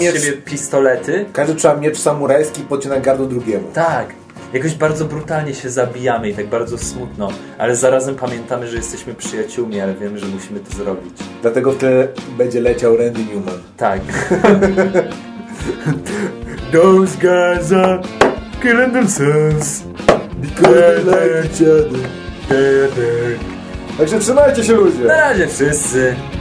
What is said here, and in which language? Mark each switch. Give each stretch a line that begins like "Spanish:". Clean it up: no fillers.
Polish: miecz... siebie pistolety. Każdy trzyma miecz samurajski i podcina gardło drugiemu. Tak. Jakoś bardzo brutalnie się zabijamy i tak bardzo smutno, ale zarazem pamiętamy, że jesteśmy przyjaciółmi, ale wiemy, że musimy to zrobić. Dlatego w tle będzie leciał Randy Newman. Tak.
English: Those guys are killing themselves because they like each other.
Polish: Także trzymajcie się, ludzie. Na razie wszyscy.